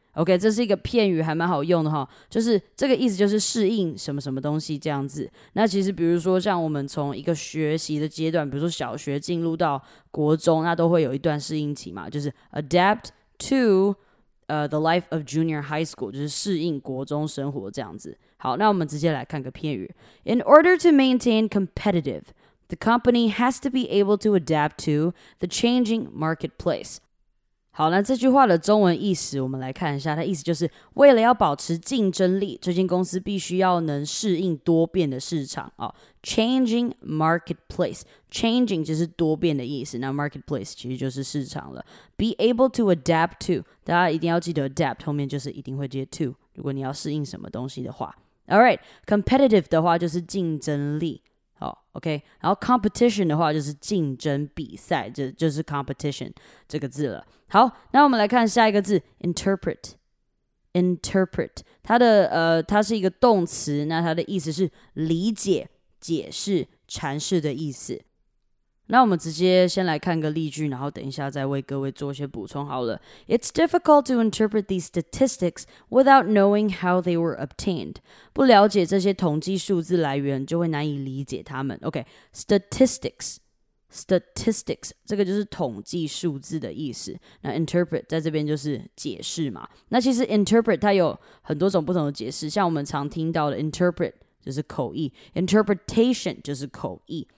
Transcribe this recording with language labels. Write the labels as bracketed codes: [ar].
[zh] OK, 这是一个片语还蛮好用的哈，就是这个意思就是适应什么什么东西这样子。那其实比如说像我们从一个学习的阶段，比如说小学进入到国中，那都会有一段适应期嘛，就是 [en] adapt to the life of junior high school, [zh] 就是适应国中生活这样子。好，那我们直接来看个片语。 [en] In order to maintain competitive, the company has to be able to adapt to the changing marketplace. [zh] 好那这句话的中文意思我们来看一下它意思就是为了要保持竞争力这间公司必须要能适应多变的市场、哦、Changing marketplace Changing 就是多变的意思那 marketplace 其实就是市场了 [en] Be able to adapt to [zh] 大家一定要记得 adapt 后面就是一定会接 to 如果你要适应什么东西的话 Alright Competitive 的话就是竞争力好 OK 然后 competition 的话就是竞争比赛 就是 competition 这个字了好那我们来看下一个字 interpret interpret 它的它是一个动词那它的意思是理解解释阐释的意思那我们直接先来看个例句，然后等一下再为各位做些补充好了。 [en] It's difficult to interpret these statistics without knowing how they were obtained. [zh] 不了解这些统计数字来源，就会难以理解他们。 OK, statistics. Statistics 这个就是统计数字的意思，那 interpret 在这边就是解释嘛。那其实 interpret 它有很多种不同的解释，像我们常听到的 interpret 就是口译， interpretation 就是口译。